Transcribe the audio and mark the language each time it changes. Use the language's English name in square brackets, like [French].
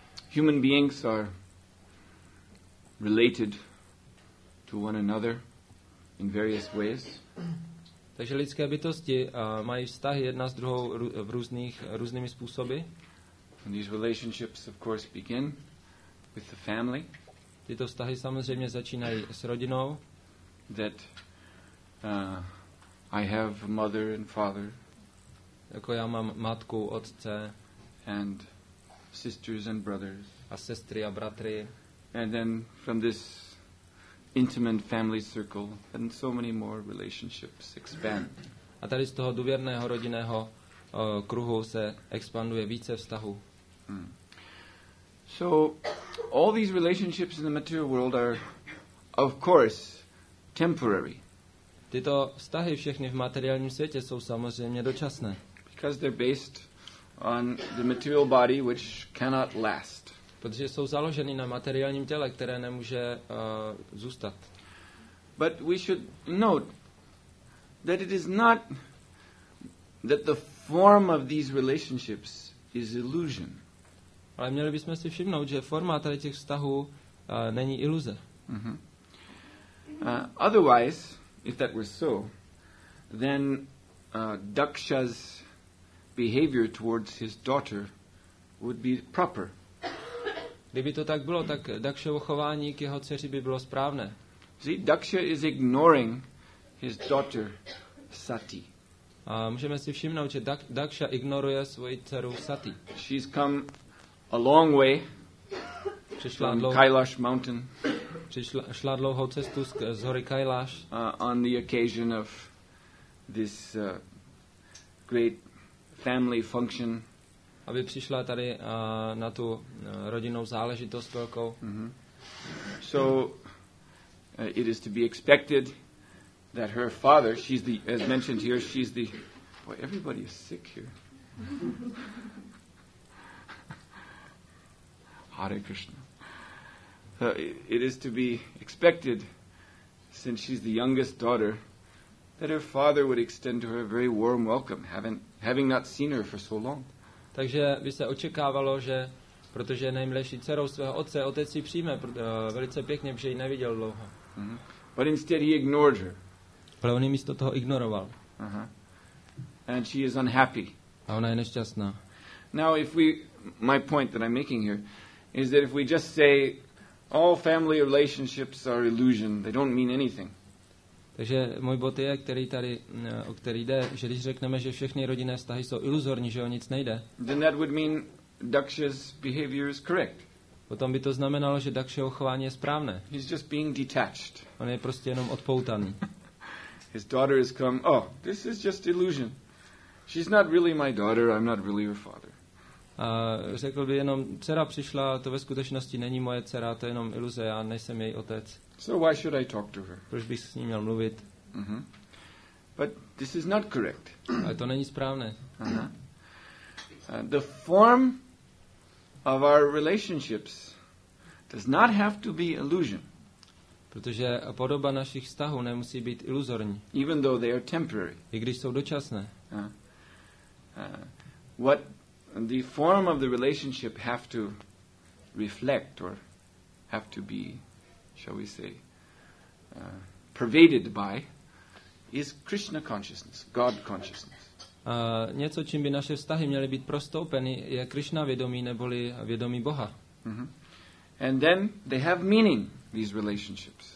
[English] Human beings are related to one another in various ways. [Czech] Takže lidské bytosti mají vztahy jedna s druhou v různými způsoby. [English] And these relationships, of course, begin with the family. [Czech] Tyto vztahy samozřejmě začínají s rodinou. [English] That I have a mother and father. [Czech] Jako já mám matku, otce. [English] And sisters and brothers. [Czech] A sestry a bratry. [English] And then from this intimate family circle, and so many more relationships expand. [Czech] A tady z toho důvěrného rodinného kruhu se expanduje více vztahů. Hmm. [English] So all these relationships in the material world are, of course, temporary. [Czech] Tyto vztahy všechny v materiálním světě jsou samozřejmě dočasné. [English] Because they're based on the material body, which cannot last. [Czech] Protože jsou založeny na materiálním těle, které nemůže zůstat. [English] But we should note that it is not that the form of these relationships is illusion. [Czech] Ale měli bychom si všimnout, že forma tady těch vztahů není iluze. [English] Otherwise, if that were so, then Daksha's behavior towards his daughter would be proper. [Czech] Kdyby to tak bylo, tak Dakšovo chování k jeho dceři by bylo správné. [English] See, Daksha is ignoring his daughter Sati. [Czech] A můžeme si všimnout, že Daksha ignoruje svoji dceru Sati. [English] She's come a long way. [Czech] Přišla [English] from Kailash Mountain. [Czech] Přišla dlouhou cestu z hory Kailash. [English] On the occasion of this great family function. [Czech] Aby přišla tady na tu rodinnou záležitost velkou. [English] So it is to be expected that her father, she's the, as mentioned here, she's the, boy, everybody is sick here. Hare Krishna. It is to be expected, since she's the youngest daughter, that her father would extend to her a very warm welcome, having not seen her for so long. [Czech] Takže by se očekávalo, že protože je nejmladší dcerou svého otce, otec ji přijme velice pěkně, protože ji neviděl dlouho. [English] But instead he ignored her. [Czech] Ale on ji místo toho ignoroval. [English] And she is unhappy. [Czech] A ona je nešťastná. [English] Now if we, my point that I'm making here, is that if we just say All family relationships are illusion. They don't mean anything. [Czech] Takže můj bod je, který tady, o který jde, že když řekneme, že všechny rodinné vztahy jsou iluzorní, že o nic nejde. [English] Then that would mean Daksha's behavior is correct. [Czech] Potom by to znamenalo, že Dakšeho chování je správné. [English] He's just being detached. [Czech] On je prostě jenom odpoutaný. [English] His daughter has come. Oh, this is just illusion. She's not really my daughter. I'm not really her father. [Czech] A řekl by jenom, dcera přišla, to ve skutečnosti není moje dcera, to je jenom iluze, já nejsem její otec. [English] So why should I talk to her? [Czech] Proč bych s ní měl mluvit? [English] Mm-hmm. But this is not correct. [Czech] Ale to není správné. [English] The form of our relationships does not have to be illusion. [Czech] Protože podoba našich vztahů nemusí být iluzorní. [English] Even though they are temporary. [Czech] I když jsou dočasné. [English] What the form of the relationship have to reflect or have to be, shall we say, pervaded by is Krishna consciousness, God consciousness. [Czech] Něco, čím by naše vztahy měly být prostoupeny, je Krishna vědomí neboli vědomí Boha. Mm-hmm. [English] And then they have meaning, these relationships.